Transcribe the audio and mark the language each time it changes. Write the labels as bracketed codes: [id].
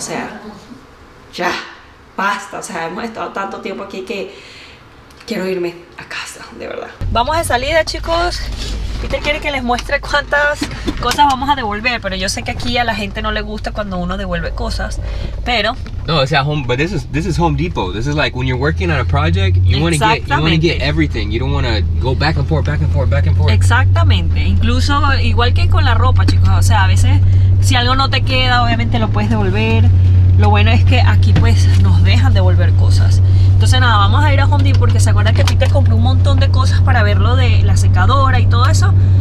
[es] O sea, ya, basta. O sea, hemos estado tanto tiempo aquí que quiero irme a casa, de verdad. Vamos de salida, chicos. Peter quiere que les muestre cuántas cosas vamos a devolver. Pero yo sé que aquí a la gente no le gusta cuando uno devuelve cosas. Pero... [en] No, it's at home, but this is Home Depot. This is like when you're working on a project, you want to get everything. You don't want to go back and forth. [es] Exactamente. Incluso igual que con la ropa, chicos. O sea, a veces si algo no te queda, obviamente lo puedes devolver. Lo bueno es que aquí pues nos dejan devolver cosas. Entonces nada, vamos a ir a Home Depot porque se acuerda que Peter compró un montón de cosas para ver lo de la secadora y todo eso.